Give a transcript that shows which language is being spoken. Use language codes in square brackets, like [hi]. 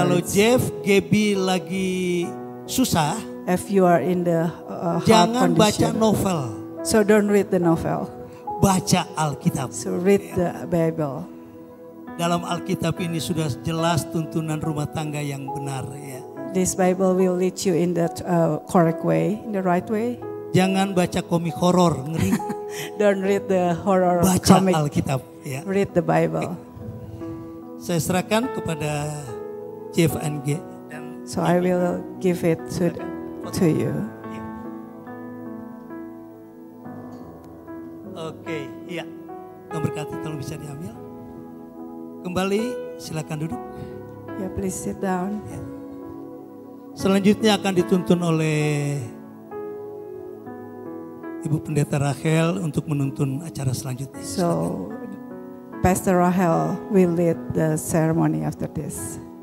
[id] Kalau Jeff, Gaby lagi susah, [en] if you are in the [id] jangan condition, baca novel. [en] So don't read the novel. [id] Baca Alkitab. [en] So read the Bible. [id] Dalam Alkitab ini sudah jelas tuntunan rumah tangga yang benar, ya. [en] This Bible will lead you in the correct way, in the right way. [id] Jangan baca komik horor, ngeri. [en] Don't read the horror [id] baca [en] comic. [id] Baca Alkitab, ya. [en] Read the Bible. [id] Saya serahkan kepada Jeff and G. [en] So I will give it to you. [id] Oke, ya. Memberkati kalau bisa diambil. Kembali, silakan duduk. [en] Ya, yeah, please sit down. Yeah. [id] Selanjutnya akan dituntun oleh Ibu Pendeta Rahel untuk menuntun acara selanjutnya. [en] So, Pastor Rahel will lead the ceremony after this.